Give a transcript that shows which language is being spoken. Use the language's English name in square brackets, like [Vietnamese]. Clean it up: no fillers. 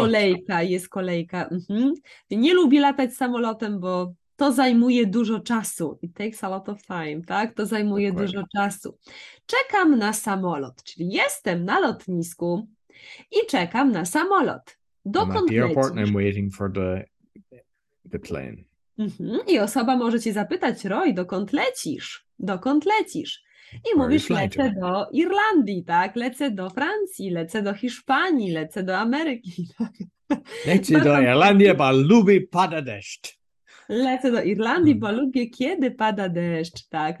[Polish] Kolejka, jest kolejka. Mhm. Nie lubię latać samolotem, bo to zajmuje dużo czasu. [English] It takes a lot of time, [Polish] tak? To zajmuje dokładnie dużo czasu. Czekam na samolot, czyli jestem na lotnisku i czekam na samolot. Dokąd lecisz? [English] I'm at the airport and I'm waiting for the plane. Mhm. [Polish] I osoba może cię zapytać, Roy, dokąd lecisz? Dokąd lecisz? I mówisz, lecę do Irlandii, tak? Lecę do Francji, lecę do Hiszpanii, lecę do Ameryki. Lecę do Irlandii, bo lubię pada deszcz. Lecę do Irlandii, bo lubię, kiedy pada deszcz, tak?